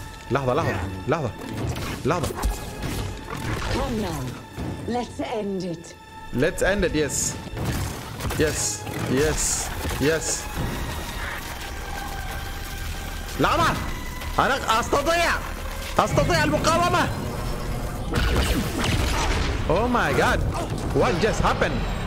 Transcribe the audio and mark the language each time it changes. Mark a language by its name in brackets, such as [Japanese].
[Arabic] لحظه لحظه لحظه لحظه [English] let's end it let's end it yes yes yes yes. [Arabic] لحظه انا استطيع استطيع المقاومه. [English] Oh my god what just happened.